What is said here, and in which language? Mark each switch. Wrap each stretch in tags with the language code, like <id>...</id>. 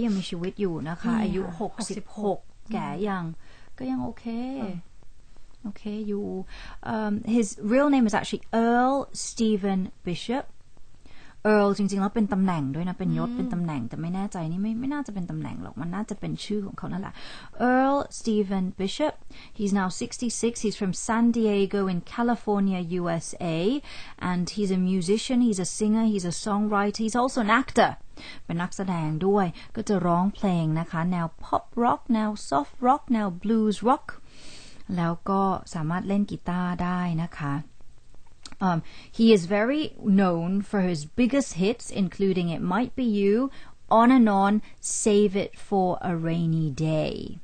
<th>ยังมีชีวิตอยู่นะคะ อายุ66แก่ยังก็ยังโอเคโอเคอยู่</th> <en>His real name is actually Earl Stephen Bishop.</en> <th>Earl จริงๆแล้วเป็นตำแหน่งด้วยนะเป็นยศเป็นตำแหน่งแต่ไม่แน่ใจนี่ไม่น่าจะเป็นตำแหน่งหรอกมันน่าจะเป็นชื่อของเขานั่นแหละ</th> <en>Earl Stephen Bishop, he's now 66. He's from San Diego in California, USA. And he's a musician, he's a singer, he's a songwriter, he's also an actor.</en> <th>เป็นนักแสดงด้วยก็จะร้องเพลงนะคะแนว pop rock, แนว soft rock, แนว blues rock. แล้วก็สามารถเล่นกีตาร์ได้นะคะ</th> <en>He is very known for his biggest hits, including It Might Be You, On and On, Save It for a Rainy Day.</en>